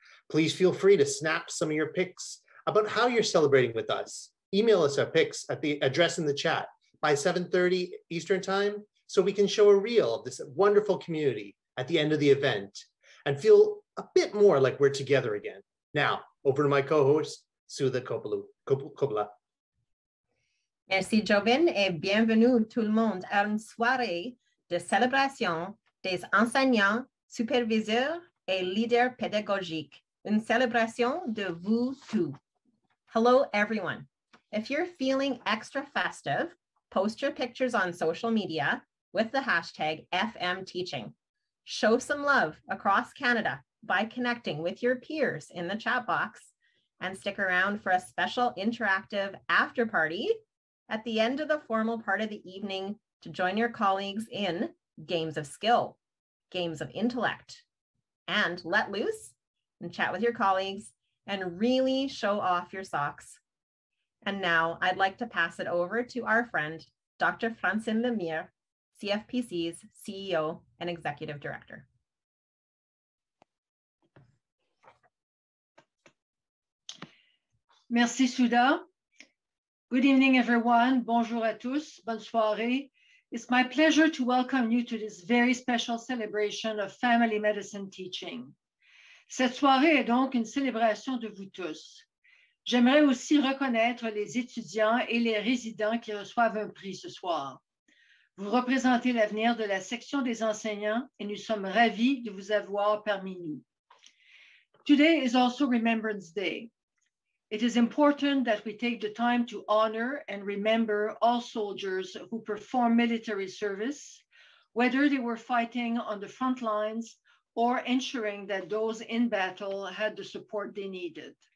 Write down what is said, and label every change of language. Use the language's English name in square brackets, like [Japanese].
[English] Please feel free to snap some of your pics about how you're celebrating with us. Email us our pics at the address in the chat by 7:30 Eastern time so we can show a reel of this wonderful community at the end of the event and feel a bit more like we're together again. Now, over to my co-host, Sudha Kobla. [French] Merci, Jobin, et bienvenue tout le monde à une soirée de célébration des enseignants, superviseurs et leaders pédagogiques, une célébration de vous tous. [English] Hello, everyone. If you're feeling extra festive, post your pictures on social media with the hashtag FMTeaching. Show some love across Canada by connecting with your peers in the chat box and stick around for a special interactive after party at the end of the formal part of the evening to join your colleagues in games of skill, games of intellect, and let loose and chat with your colleagues and really show off your socks. And now I'd like to pass it over to our friend, Dr. Francine Lemire, CFPC's CEO and Executive Director. [French] Merci, Souda. [English] Good evening, everyone. [French] Bonjour à tous. Bonne soirée. [English] It's my pleasure to welcome you to this very special celebration of family medicine teaching. [French] Cette soirée est donc une célébration de vous tous. J'aimerais aussi reconnaître les étudiants et les résidents qui reçoivent un prix ce soir. Vous représentez l'avenir de la section des enseignants et nous sommes ravis de vous avoir parmi nous. [English] Today is also Remembrance Day. It is important that we take the time to honor and remember all soldiers who perform military service, whether they were fighting on the front lines or ensuring that those in battle had the support they needed.